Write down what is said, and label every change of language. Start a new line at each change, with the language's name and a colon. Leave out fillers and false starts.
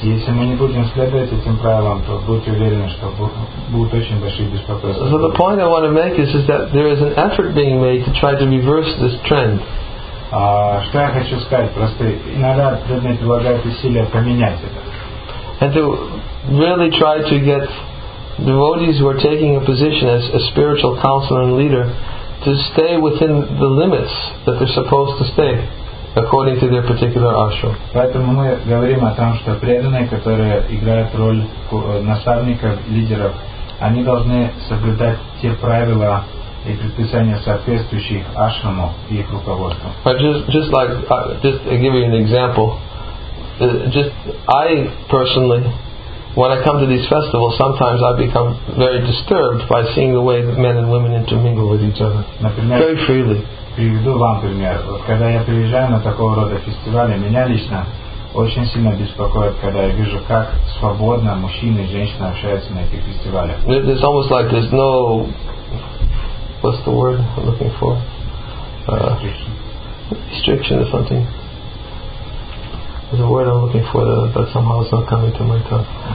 Russian: Если мы не будем следовать этим правилам, то будьте уверены, что будут очень большие беспокойства.
English: So the point I want to make is that there is an effort being made to try to reverse this trend.
Russian: Что я хочу сказать, просто иногда предлагают усилия поменять это.
English: And to really try to get devotees who are taking a position as a spiritual counselor and leader to stay within the limits that they're supposed to stay. According to their particular ashram.
Russian: Поэтому мы говорим о том, что преданные, которые играют роль наставников, лидеров, они должны соблюдать те правила и предписания соответствующих ашраму и их руководству.
English: But just to give you an example, just I personally, when I come to these festivals, sometimes I become very disturbed by seeing the way that men and women intermingle with each other,
Russian: например,
English: very freely.
Russian: Приведу вам пример. Вот когда я приезжаю на такого рода фестивали, меня лично очень сильно беспокоит, когда я вижу, как свободно мужчины и женщины общаются на этих фестивалях.
English: It's almost like there's no, what's the word I'm looking for? Restriction or something. There's a word I'm looking for that somehow is not coming to my tongue.